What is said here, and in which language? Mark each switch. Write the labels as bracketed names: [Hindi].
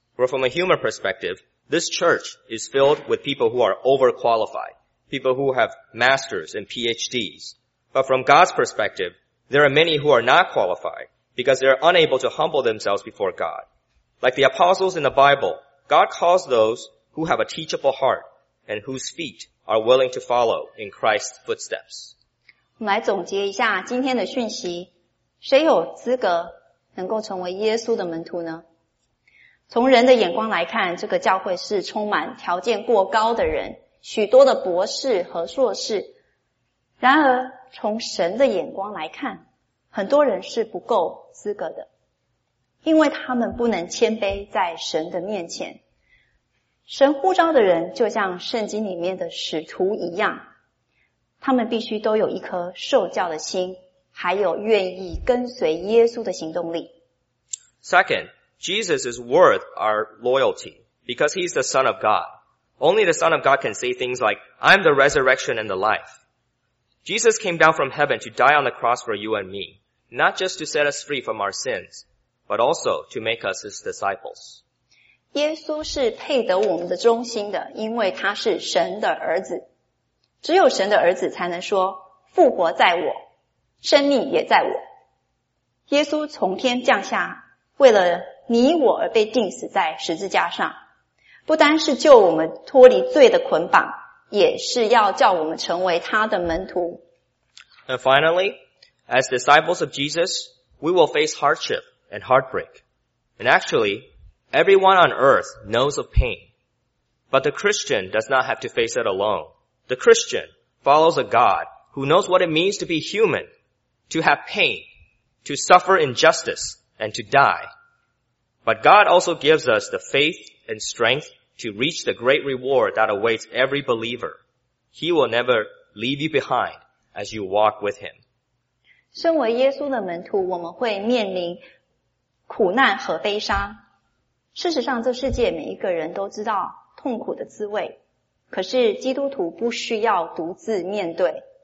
[English] Well, from a human perspective, this church is filled with people who are overqualified, people who have masters and PhDs. But from God's perspective, there are many who are not qualified because they are unable to humble themselves before God. Like the apostles in the Bible, God calls those who have a teachable heart and whose feet are willing to follow in Christ's footsteps. [Chinese] 我们来总结一下今天的讯息，谁有资格能够成为耶稣的门徒呢？从人的眼光来看，这个教会是充满条件过高的人，许多的博士和硕士。然而，从神的眼光来看，很多人是不够资格的，因为他们不能谦卑在神的面前。神呼召的人就像圣经里面的使徒一样，他们必须都有一颗受教的心，还有愿意跟随耶稣的行动力。 [English] Second, Jesus is worth our loyalty because he's the Son of God. Only the Son of God can say things like, I'm the resurrection and the life. Jesus came down from heaven to die on the cross for you and me, not just to set us free from our sins, but also to make us his disciples. [Chinese] 耶稣是配得我们的忠心的，因为他是神的儿子。只有神的儿子才能说，复活在我，生命也在我。耶稣从天降下，为了你我而被钉死在十字架上，不单是救我们脱离罪的捆绑，也是要叫我们成为他的门徒。 [English] And finally, as disciples of Jesus, we will face hardship and heartbreak. And actually, everyone on earth knows of pain. But the Christian does not have to face it alone. The Christian follows a God who knows what it means to be human,to have pain, to suffer injustice, and to die. But God also gives us the faith and strength to reach the great reward that awaits every believer. He will never leave you behind as you walk with him. [Chinese] 身为耶稣的门徒，我们会面临苦难和悲伤。事实上，这世界每一个人都知道痛苦的滋味，可是基督徒不需要独自面对。